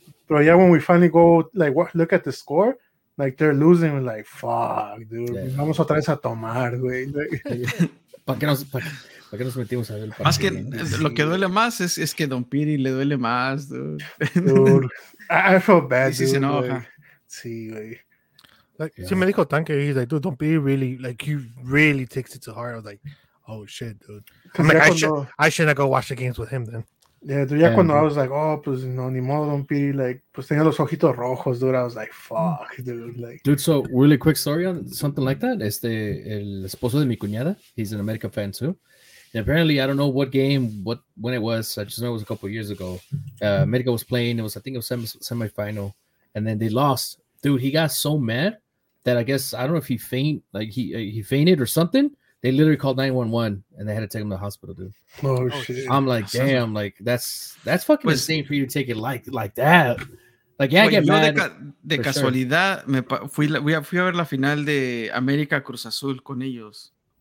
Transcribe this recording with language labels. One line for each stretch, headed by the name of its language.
Spanish: Pero ya,
English: when we finally go, like, look at the score. Like, they're losing, like, fuck, dude. Yeah.
Spanish: Vamos otra vez a tomar, güey. ¿Para qué nos metimos a ver el partido? Más que lo que duele más es que Don Piri le duele más, dude.
English: Dude, I feel bad, dude.
Spanish: Y si se enoja. Sí, güey.
English: Like, yeah.
Spanish: Sí, me dijo Tanque,
English: he's like, dude, Don Piri really, like, he really takes it to heart. I was like, oh, shit, dude. I'm like, I shouldn't go watch the games with him, then. Yeah, dude,
Spanish: ya cuando
English: I was like, oh,
Spanish: pues no, ni modo,
English: Don Piri, like,
Spanish: pues tenía los ojitos rojos,
English: dude. I was like, fuck, dude. Like, dude, so really quick story on something like that.
Spanish: El esposo de mi cuñada,
English: he's an America fan too. And apparently, I don't know what game, when it was. I just know it was a couple of years ago. America was playing. I think it was semifinal. And then they lost. Dude, he got so mad that I guess, I don't know if he fainted or something. They literally called 911 and they had to take him to the hospital, dude. Oh, shit. I'm like, damn, awesome. Like, that's fucking insane for you to take it like that. Like, yeah, well, I get mad.
Spanish: De casualidad, sure. fui a ver la final de América Cruz Azul con ellos.